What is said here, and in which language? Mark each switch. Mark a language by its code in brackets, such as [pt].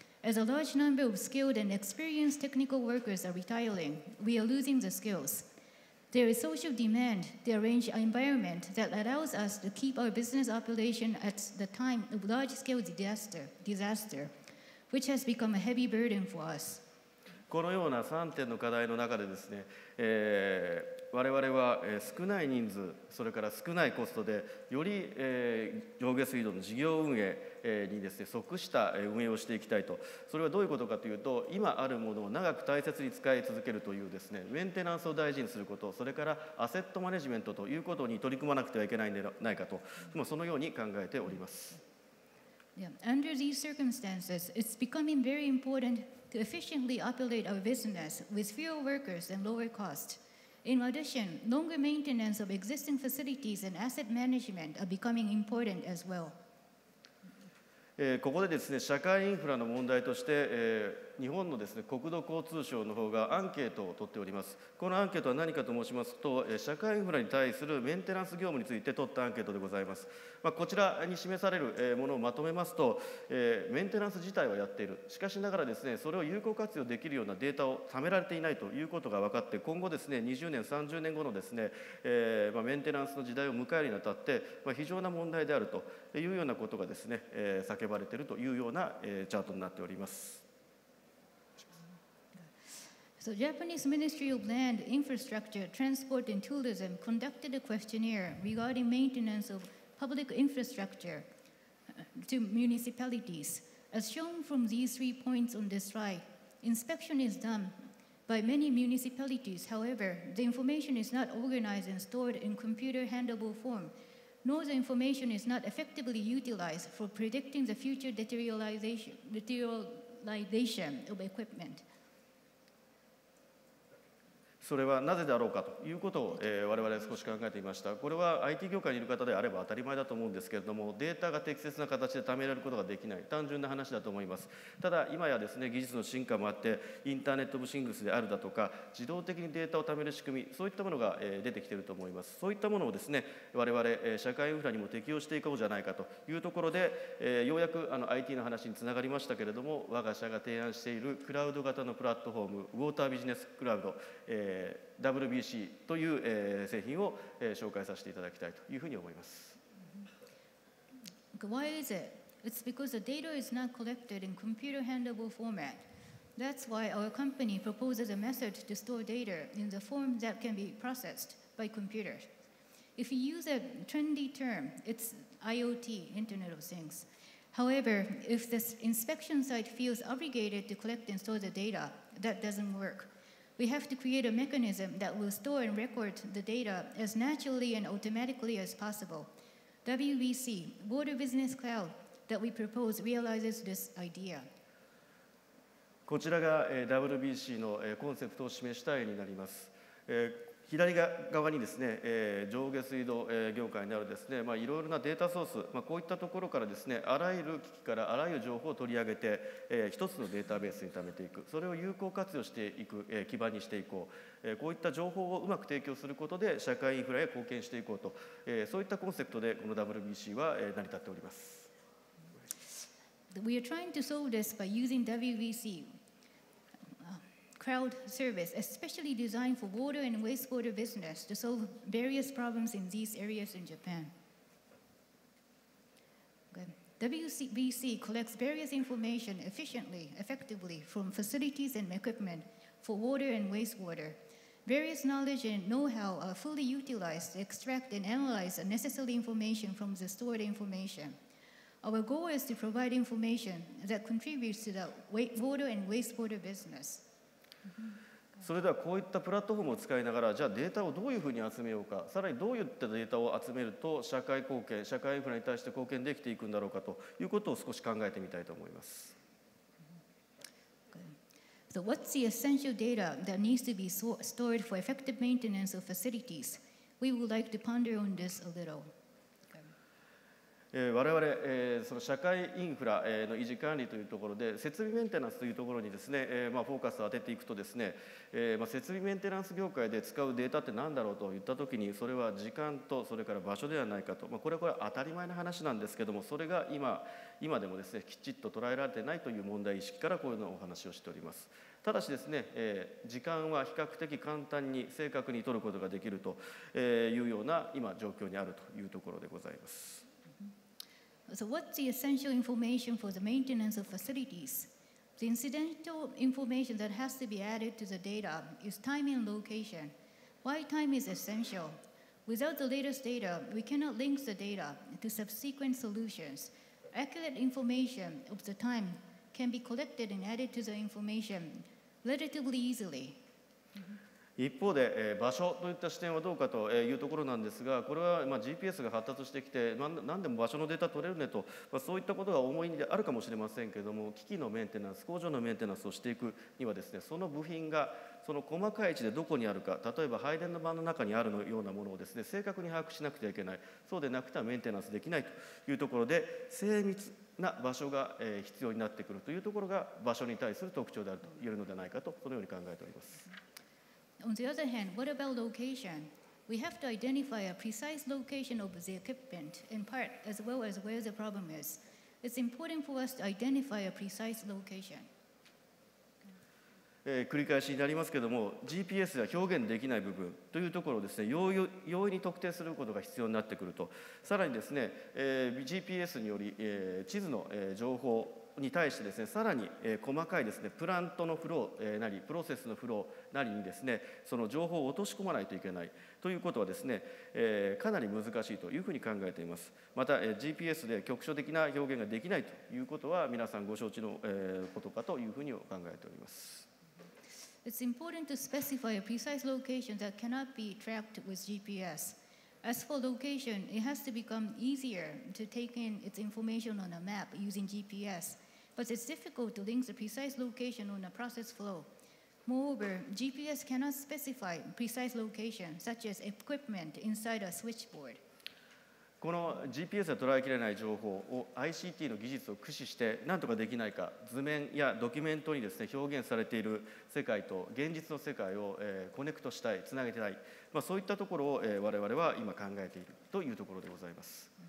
[en] As a large number of skilled and experienced technical workers are retiring, we are losing the skills. There is social demand to arrange an environment that allows us to keep our business operation at the time of large-scale disaster, which has become a heavy burden for us. [ja] このような3点の課題の中でですね、我々は少ない人数、それから少ないコストで、より上下水道の事業運営にですね、即した運営をしていきたいと。それはどういうことかというと、今あるものを長く大切に使い続けるというですね、メンテナンスを大事にすること、それからアセットマネジメントということに取り組まなくてはいけないんではないかと、もうそのように考えております。 Yeah. [en] Under these circumstances, it's becoming very important to efficiently operate our business with fewer workers and lower costs. In addition, longer maintenance of existing facilities and asset management are becoming important as well. [ja] ここでですね、社会インフラの問題として、日本のですね、国土交通省の方がアンケートを取っております。このアンケートは何かと申しますと、社会インフラに対するメンテナンス業務について取ったアンケートでございます。まあ、こちらに示されるものをまとめますと、メンテナンス自体はやっている。しかしながらですね、それを有効活用できるようなデータを貯められていないということが分かって、今後ですね、20年、30年後のですね、まあ、メンテナンスの時代を迎えるにあたって、まあ、非常な問題であるというようなことがですね、叫ばれているというような、チャートになっております。 [en] The Japanese Ministry of Land, Infrastructure, Transport and Tourism conducted a questionnaire regarding maintenance of public infrastructure to municipalities. As shown from these three points on this slide, inspection is done by many municipalities. However, the information is not organized and stored in computer handable form, nor the information is not effectively utilized for predicting the future deterioration of equipment. [ja] それはなぜだろうかということを、我々は少し考えていました。これは IT 業界にいる方であれば当たり前だと思うんですけれども、データが適切な形で貯められることができない、単純な話だと思います。ただ、今やですね、技術の進化もあって、インターネットオブシングスであるだとか、自動的にデータを貯める仕組み、そういったものが、出てきていると思います。そういったものをですね、我々社会インフラにも適用していこうじゃないかというところで、ようやくIT の話につながりましたけれども、我が社が提案しているクラウド型のプラットフォーム、ウォータービジネスクラウド、WBC という製品を紹介させていただきたいというふうに思います。 [en] Why is it? It's because the data is not collected in computer handable format. That's why our company proposes a method to store data in the form that can be processed by computers. If you use a trendy term, it's IoT, Internet of Things. However, if the inspection site feels obligated to collect and store the data, that doesn't work. We have to create a mechanism that will store and record the data as naturally and automatically as possible. WBC, Water Business Cloud, that we propose realizes this idea. [ja] こちらが WBC のコンセプトを示した絵になります。左側にですね、上下水道業界にあるですね、まあ、いろいろなデータソース、まあ、こういったところからですね、あらゆる機器からあらゆる情報を取り上げて、一つのデータベースに貯めていく、それを有効活用していく、基盤にしていこう、こういった情報をうまく提供することで、社会インフラへ貢献していこうと、そういったコンセプトで、この WBC は成り立っております。 [en] We are trying to solve this by using WBC. Crowd service, especially designed for water and wastewater business to solve various problems in these areas in Japan. WBC collects various information efficiently, effectively from facilities and equipment for water and wastewater. Various knowledge and know-how are fully utilized to extract and analyze the necessary information from the stored information. Our goal is to provide information that contributes to the water and wastewater business. [ja] それではこういったプラットフォームを使いながら、じゃあデータをどういうふうに集めようか、さらにどういったデータを集めると社会貢献、社会インフラに対して貢献できていくんだろうかということを少し考えてみたいと思います。 [en] So what's the essential data that needs to be stored for effective maintenance of facilities? We would like to ponder on this a little. [ja] 我々その社会インフラの維持管理というところで設備メンテナンスというところにですねまあフォーカスを当てていくとですねまあ設備メンテナンス業界で使うデータって何だろうといったときにそれは時間とそれから場所ではないかとまあこれは当たり前の話なんですけどもそれが 今でもですねきちっと捉えられてないという問題意識からこういうのをお話をしております。ただしですね時間は比較的簡単に正確に取ることができるというような今状況にあるというところでございます。 [en] So what's the essential information for the maintenance of facilities? The incidental information that has to be added to the data is time and location. Why time is essential? Without the latest data, we cannot link the data to subsequent solutions. Accurate information of the time can be collected and added to the information relatively easily. [ja] 一方で場所といった視点はどうかというところなんですがこれは GPS が発達してきて何でも場所のデータ取れるねとそういったことが思いであるかもしれませんけれども機器のメンテナンス工場のメンテナンスをしていくにはですねその部品がその細かい位置でどこにあるか例えば配電の盤の中にあるようなものをですね正確に把握しなくてはいけないそうでなくてはメンテナンスできないというところで精密な場所が必要になってくるというところが場所に対する特徴であると言えるのではないかとそのように考えております。 [en] On the other hand, what about location? We have to identify a precise location of the equipment in part as well as where the problem is. It's important for us to identify a precise location. [ja] 繰り返しになりますけれども、GPS では表現できない部分というところをですね、容易に特定することが必要になってくると、さらにですね、GPS により、地図の、情報に対してですね、さらに、細かいですね、プラントのフロー、なり、プロセスのフローなりにですね、その情報を落とし込まないといけないということはですね、かなり難しいというふうに考えています。また、GPS で局所的な表現ができないということは、皆さんご承知の、ことかというふうに考えております。 [en] It's important to specify a precise location that cannot be tracked with GPS. As for location, it has to become easier to take in its information on a map using GPS, but it's difficult to link the precise location on a process flow. Moreover, GPS cannot specify precise location, such as equipment inside a switchboard. [ja] この GPS は捉えきれない情報を ICT の技術を駆使して何とかできないか図面やドキュメントにですね表現されている世界と現実の世界をコネクトしたいつなげたい、まあ、そういったところを我々は今考えているというところでございます。